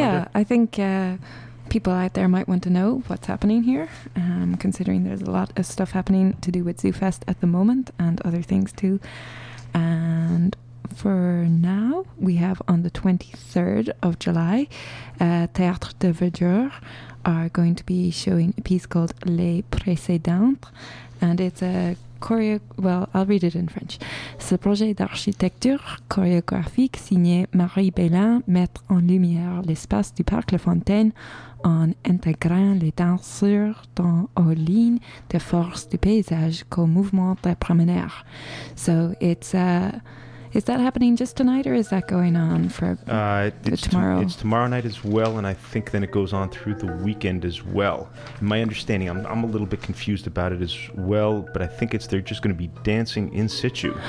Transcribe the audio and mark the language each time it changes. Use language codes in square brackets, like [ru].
[en] Yeah, I think people out there might want to know what's happening here, considering there's a lot of stuff happening to do with ZooFest at the moment and other things too. And for now, we have on the 23rd of July, Théâtre de Verdure are going to be showing a piece called Les Précédentes, and it's a I'll read it in French. [fr] Ce projet d'architecture chorégraphique signé Marie Bélin met en lumière l'espace du Parc La Fontaine en intégrant les danseurs dans aux lignes de force du paysage qu'au mouvement des promeneurs. [en] So it's a is that happening just tonight, or is that going on for tomorrow? It's tomorrow night as well, and I think then it goes on through the weekend as well. In my understanding, I'm a little bit confused about it as well, but I think they're just going to be dancing in situ.